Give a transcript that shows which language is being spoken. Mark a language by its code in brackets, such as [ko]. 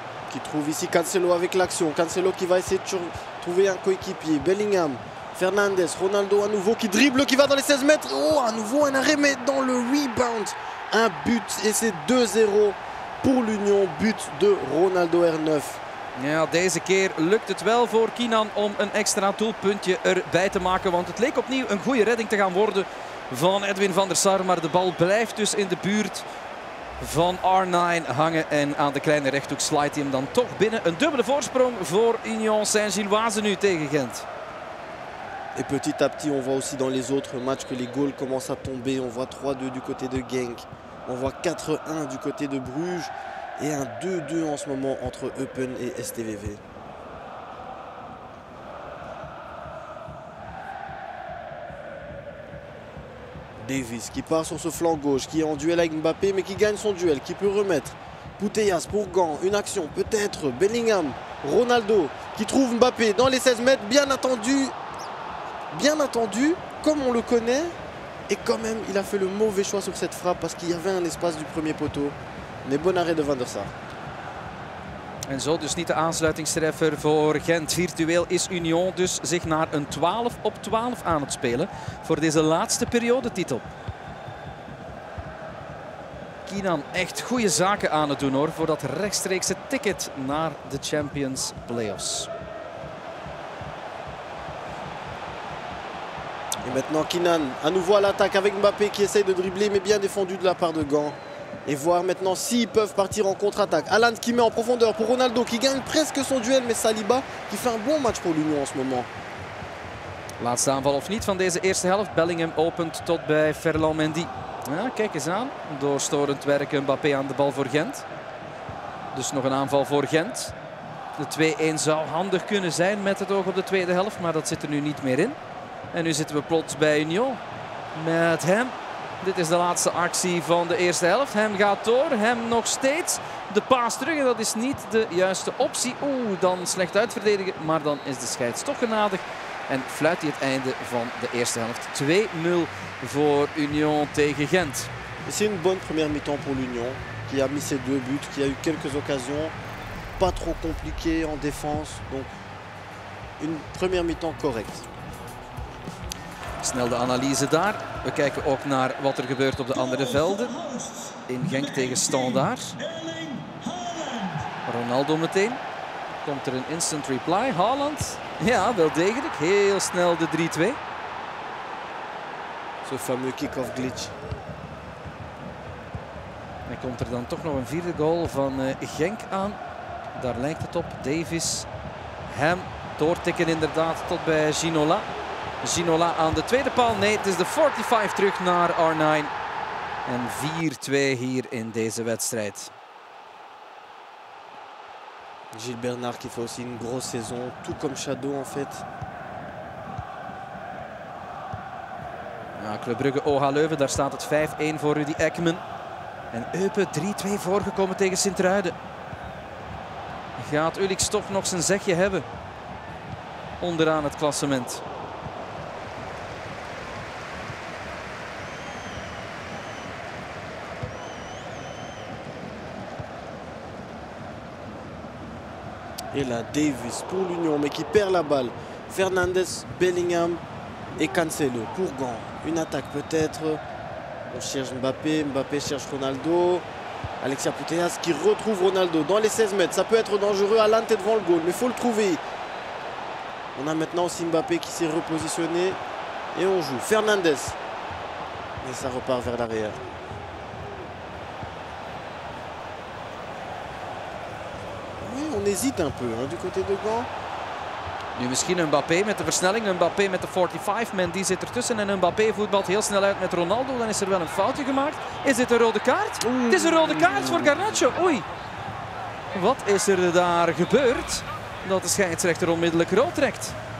[fr] Qui trouve ici Cancelo avec l'action. Cancelo qui va essayer de trouver un coéquipier. Bellingham, Fernandes, Ronaldo à nouveau qui dribble, qui va dans les 16 mètres. Oh, à nouveau un arrêt, mais dans le rebound. Un but et c'est 2-0 pour l'Union. But de Ronaldo R9. [nl] Ja, deze keer lukt het wel voor Kinan om een extra doelpuntje erbij te maken. Want het leek opnieuw een goede redding te gaan worden van Edwin van der Sar. Maar de bal blijft dus in de buurt van R9 hangen. En aan de kleine rechthoek slaat hij hem dan toch binnen. Een dubbele voorsprong voor Union Saint-Gilloise nu tegen Gent. [fr] En petit à petit, on voit aussi dans les autres matchs que les goals commencent à tomber. On voit 3-2 du côté de Genk. On voit 4-1 du côté de Bruges. Et un 2-2 en ce moment entre Eupen et STVV. Davis qui part sur ce flanc gauche, qui est en duel avec Mbappé, mais qui gagne son duel, qui peut remettre. Puteyas pour Gant, une action peut-être. Bellingham, Ronaldo qui trouve Mbappé dans les 16 mètres. Bien attendu, comme on le connaît. Et quand même, il a fait le mauvais choix sur cette frappe parce qu'il y avait un espace du premier poteau. Een bon arrêt de Van der Sar. [nl] En zo dus niet de aansluitingstreffer voor Gent. Virtueel is Union dus zich naar een 12-op-12 aan het spelen voor deze laatste periodetitel. Kinan echt goede zaken aan het doen hoor voor dat rechtstreekse ticket naar de Champions Playoffs. [fr] En maintenant Kinan à nouveau à l'attaque avec Mbappé qui essaye de dribbler mais bien défendu de la part de Gant. Et voir maintenant s'ils peuvent partir en contre-attaque. Haaland qui met en profondeur pour Ronaldo qui gagne presque son duel. Mais Saliba qui fait un bon match pour l'Union en ce moment. [nl] Laatste aanval of niet van deze eerste helft. Bellingham opent tot bij Ferland Mendy. Ja, kijk eens aan. Doorstorend werken Mbappé aan de bal voor Gent. Dus nog een aanval voor Gent. De 2-1 zou handig kunnen zijn met het oog op de tweede helft. Maar dat zit er nu niet meer in. En nu zitten we plots bij Union. Met hem. Dit is de laatste actie van de eerste helft. Hem gaat door, hem nog steeds. De paas terug en dat is niet de juiste optie. Oeh, dan slecht uitverdedigen, maar dan is de scheids toch genadig. En fluit hij het einde van de eerste helft. 2-0 voor Union tegen Gent. Het is een goede [fr] première mi-temps [nl] voor Union. [fr] Qui a mis ses deux buts, qui a eu quelques occasions. Pas trop compliqué en défense. Donc, une première mi-temps correcte. [nl] Snel de analyse daar. We kijken ook naar wat er gebeurt op de andere velden. In Genk tegen Standaard. Ronaldo meteen. Komt er een instant reply. Haaland. Ja, wel degelijk. Heel snel de 3-2. Zo'n fameuze kick-off glitch. En komt er dan toch nog een vierde goal van Genk aan. Daar lijkt het op. Davis. Hem doortikken inderdaad tot bij Ginola. Ginola aan de tweede paal. Nee, het is de 45 terug naar R9. En 4-2 hier in deze wedstrijd. [fr] Gilles Bernard qui fait aussi une grosse saison, tout comme Shadow en fait. [nl] Ja, Club Brugge, OHA Leuven, daar staat het 5-1 voor Rudy Ekman. En Eupen 3-2 voorgekomen tegen Sint-Truiden. Gaat Ulix toch nog zijn zegje hebben? Onderaan het klassement. [fr] Et là, Davis pour l'Union, mais qui perd la balle. Fernandes, Bellingham et Cancelo pour Gant. Une attaque peut-être. On cherche Mbappé, Mbappé cherche Ronaldo. Alexia Putellas qui retrouve Ronaldo dans les 16 mètres. Ça peut être dangereux. Haaland est devant le goal, mais il faut le trouver. On a maintenant aussi Mbappé qui s'est repositionné. Et on joue. Fernandes. Et ça repart vers l'arrière. On hésite un peu du côté de Gant. [nl] Nu misschien Mbappé met de versnelling. Mbappé met de 45. Mendy zit ertussen. En Mbappé voetbalt heel snel uit met Ronaldo. Dan is er wel een foutje gemaakt. Is dit een rode kaart? Het is een rode kaart voor Garnacho. Oei. Wat is er daar gebeurd? Dat de scheidsrechter onmiddellijk rood trekt.